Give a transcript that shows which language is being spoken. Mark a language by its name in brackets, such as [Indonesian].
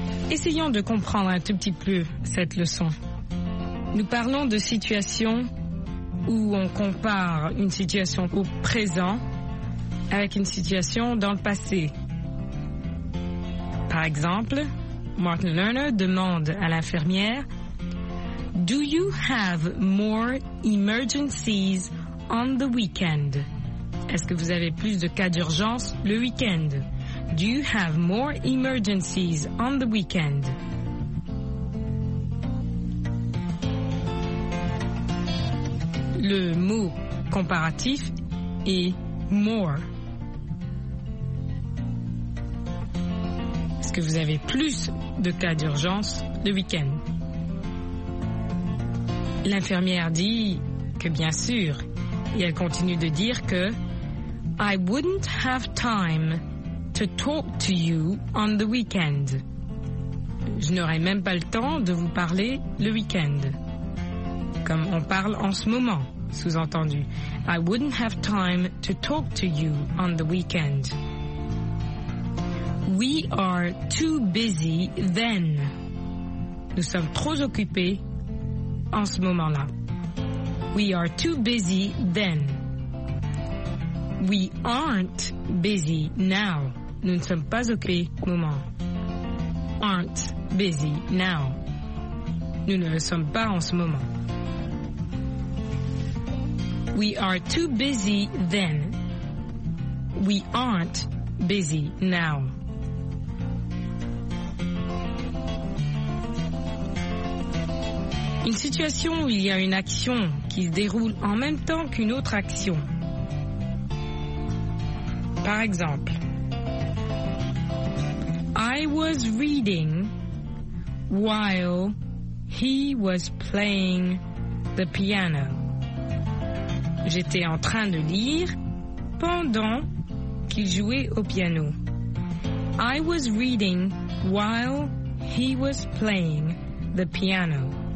[French] Essayons de comprendre un tout petit peu cette leçon. Nous parlons de situations où on compare une situation au présent avec une situation dans le passé. Par exemple, Martin Lerner demande à l'infirmière, « [English] Do you have more emergencies on the weekend? [French] » Est-ce que vous avez plus de cas d'urgence le week-end? [English] Do you have more emergencies on the weekend? [French] Le mot comparatif est more. Est-ce que vous avez plus de cas d'urgence le week-end? L'infirmière dit que bien sûr, et elle continue de dire que [English] I wouldn't have time to talk to you on the weekend. [French] Je n'aurai même pas le temps de vous parler le week-end. Comme on parle en ce moment, sous-entendu. [English] I wouldn't have time to talk to you on the weekend. We are too busy then. [French] Nous sommes trop occupés en ce moment-là. [English] We are too busy then. We aren't busy now. [French] Nous ne sommes pas occupés au moment. [English] Aren't busy now. [French] Nous ne le sommes pas en ce moment. [English] We are too busy then. We aren't busy now. [French] Une situation où il y a une action qui se déroule en même temps qu'une autre action. Par exemple, [English] I was reading while he was playing the piano. [French] J'étais en train de lire pendant qu'il jouait au piano. [English] I was reading while he was playing the piano.